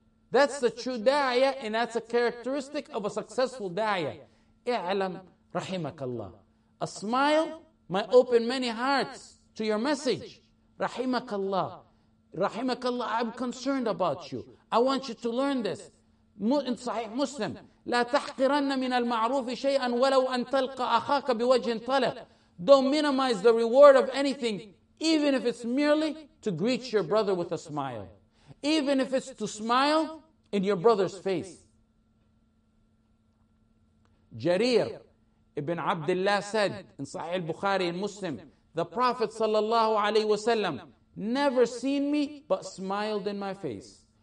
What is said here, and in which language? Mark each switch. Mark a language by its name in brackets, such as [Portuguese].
[English] That's the true da'iyah, and that's a characteristic of a successful da'iyah. [Arabic] I'lam rahimakallah. [English] A smile might open many hearts to your message. Rahimakallah. Rahimakallah, I'm concerned about you. I want you to learn this. [Arabic] In Sahih Muslim, لا تحقرن من المعروف شيئا ولو أن تلقى أخاك بوجه طلق. [English] Don't minimize the reward of anything, even if it's merely to greet your brother with a smile. Even if it's to smile in your brother's face. Jarir ibn Abdullah said in Sahih al-Bukhari and Muslim, the Prophet sallallahu alayhi wasallam never seen me but smiled in my face.